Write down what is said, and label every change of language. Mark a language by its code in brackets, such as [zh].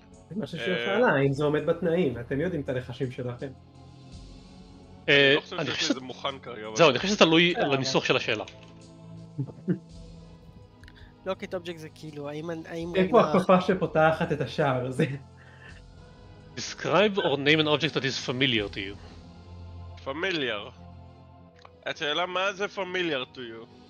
[he] זה משהו שיכולה, אם זה עומד בתנאים, אתם יודעים את הלחשים שלכם. אני לא חושב שזה מוכן כרגע. זהו, אני חושב שזה תלוי על הניסוח של השאלה. לוקט אובג'קט זה כאילו, האם... איפה הכפפה שפותחת את השער הזה? [en] Describe or name an object that is familiar to you. Familiar. [he] את שאלה מה זה [en] familiar to you?